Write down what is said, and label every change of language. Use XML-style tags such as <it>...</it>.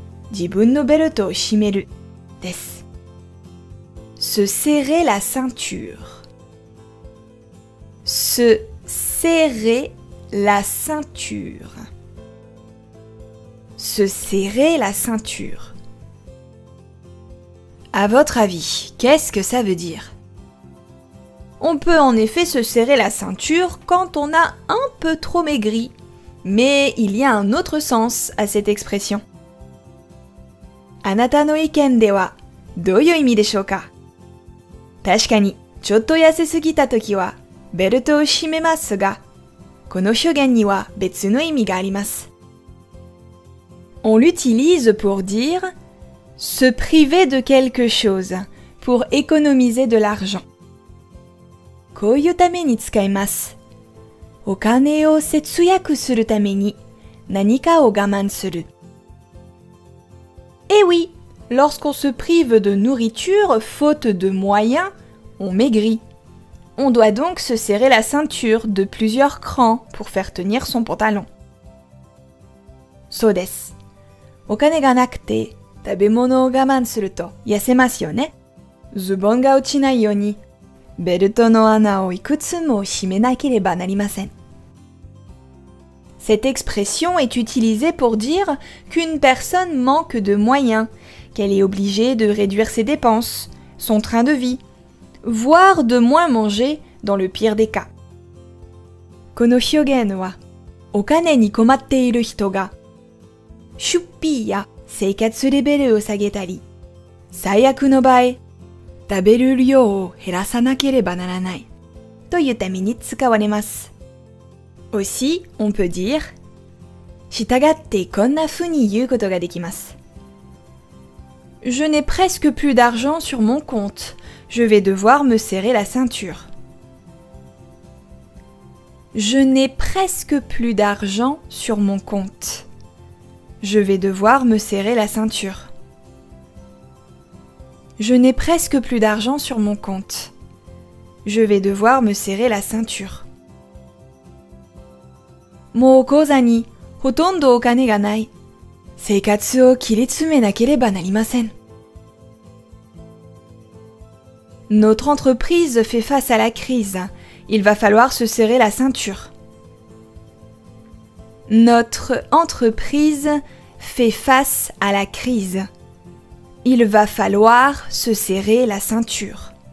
<ja>自分のベルトを締めるです。</ja> <fr>Se serrer la ceinture. Se serrer la ceinture. Se serrer la ceinture. À votre avis, qu'est-ce que ça veut dire? On peut en effet se serrer la ceinture quand on a un peu trop maigri. Mais il y a un autre sens à cette expression.</fr> <ja>あなたの意見ではどういう意味でしょうか?確かに、ちょっと痩せすぎた時は、ベルトを締めますが、この表現には別の意味があります。</ja> <fr>On l'utilise pour dire se priver de quelque chose, pour économiser de l'argent.</fr> <ja>こういうために使います。お金を節約するために、何かを我慢する。</ja> <fr>Eh oui! Lorsqu'on se prive de nourriture faute de moyens, on maigrit. On doit donc se serrer la ceinture de plusieurs crans pour faire tenir son pantalon.</fr> <ja>そうです。お金がなくて食べ物を我慢すると痩せますよね。ズボンが落ちないようにベルトの穴をいくつも締めなければなりません。</ja> <fr>Cette expression est utilisée pour dire qu'une personne manque de moyens, qu'elle est obligée de réduire ses dépenses, son train de vie, voire de moins manger dans le pire des cas.</fr> <ja>この表現は、お金に困っている人が、出費や生活レベルを下げたり、最悪の場合、食べる量を減らさなければならないというために使われます。</ja> <fr>Aussi, on peut dire</fr> <ja>従ってこんな風に言うことができます。</ja> <fr>Je n'ai presque plus d'argent sur mon compte. Je vais devoir me serrer la ceinture. Je n'ai presque plus d'argent sur mon compte. Je vais devoir me serrer la ceinture. Je n'ai presque plus d'argent sur mon compte. Je vais devoir me serrer la ceinture.</fr> <ja>もう口座にほとんどお金がない。生活を切り詰めなければなりません。</ja> <fr>Notre entreprise fait face à la crise. Il va falloir se serrer la ceinture. Notre entreprise fait face à la crise. Il va falloir se serrer la ceinture.</fr>